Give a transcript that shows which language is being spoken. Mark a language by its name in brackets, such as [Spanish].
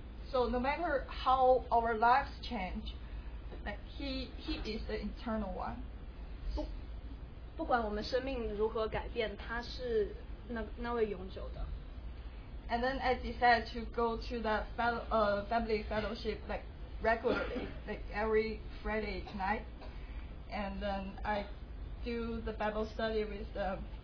[English] So no matter how our lives change, like he is the eternal one. [Chinese] 不管我们生命如何改变，他是那位永久的。 [English] And then I decided to go to that family fellowship like regularly, like every Friday night. And then I do the Bible study with them.